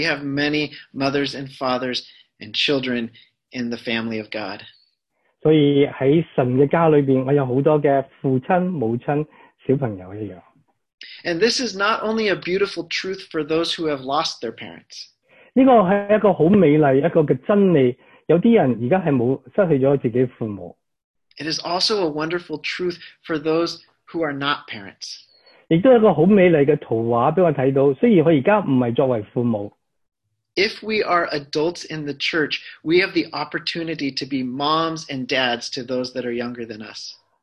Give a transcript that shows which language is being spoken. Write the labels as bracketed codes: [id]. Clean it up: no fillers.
[en] have many mothers and fathers and children in the family of God. [zh] 所以在神的家里面，我有很多的父亲、母亲、小朋友一样。 [en] And this is not only a beautiful truth for those who have lost their parents. [zh] 这个是一个很美丽，一个真理。有些人现在是失去了自己的父母。 [en] It is also a wonderful truth for those who are not parents. [zh] 也是一个很美丽的图画给我看到，虽然我现在不是作为父母。 [en] If we are adults in the church, we have the opportunity to be moms and dads to those that are younger than us.